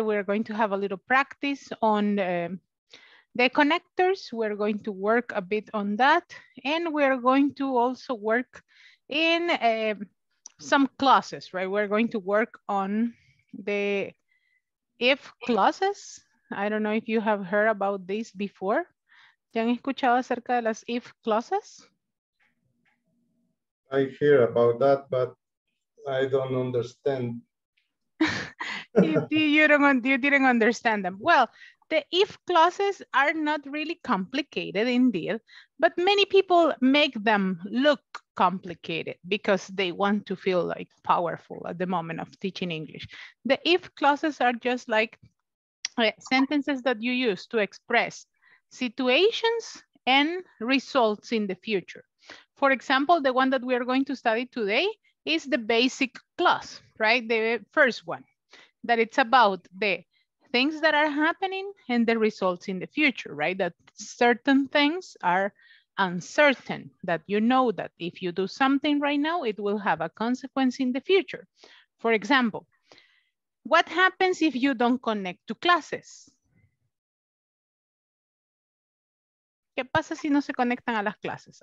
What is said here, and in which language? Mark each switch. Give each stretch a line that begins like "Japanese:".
English: We're going to have a little practice on the connectors. We're going to work a bit on that. And we're going to also work in some clauses, right? We're going to work on the if clauses. I don't know if you have heard about this before.
Spanish: ¿Ya han escuchado acerca de las if clauses?
English: I hear about that, but I don't understand. You didn't understand them. Well, the if clauses are not really complicated indeed, but many people make them look complicated because they want to feel like powerful at the moment of teaching English. The if clauses are just like sentences that you use to express situations and results in the future. For example, the one that we are going to study today is the basic clause, right? The first one. That it's about the things that are happening and the results in the future, right? That certain things are uncertain, that you know that if you do something right now, it will have a consequence in the future. For example, what happens if you don't connect to classes?
Spanish: ¿Qué pasa si no se conectan a las clases?